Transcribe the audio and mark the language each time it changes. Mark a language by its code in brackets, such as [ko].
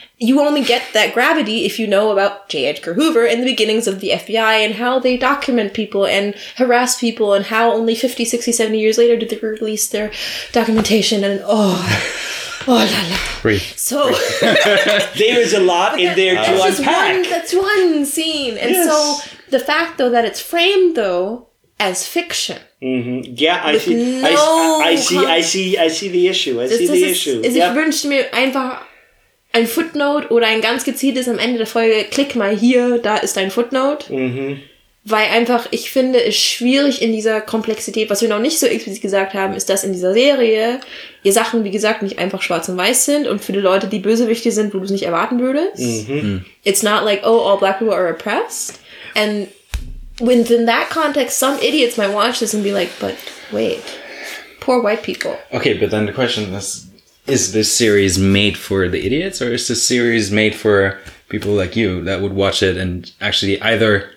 [en] You only get that gravity if you know about J. Edgar Hoover and the beginnings of the FBI and how they document people and harass people and how only 50, 60, 70 years later did they release their documentation and oh la la. Breathe. So there is a lot in there to unpack. That's one scene. And so the fact, though, that it's framed, though, as fiction. Mm-hmm. Yeah, I see the issue. [de] Es wünscht mir einfach ein Footnote oder ein ganz gezieltes am Ende der Folge, klick mal hier, da ist dein Footnote. Mhm. Weil einfach, ich finde es schwierig in dieser Komplexität, was wir noch nicht so explizit gesagt haben, ist, dass in dieser Serie ihr Sachen, wie gesagt, nicht einfach schwarz und weiß sind und für die Leute, die Bösewichte sind, wo du es nicht erwarten würdest. Mhm. [en] It's not like, oh, all black people are oppressed. And within that context, some idiots might watch this and be like, but wait, poor white people. Okay, but then the question is this series made for the idiots, or is this series made for people like you that would watch it and actually either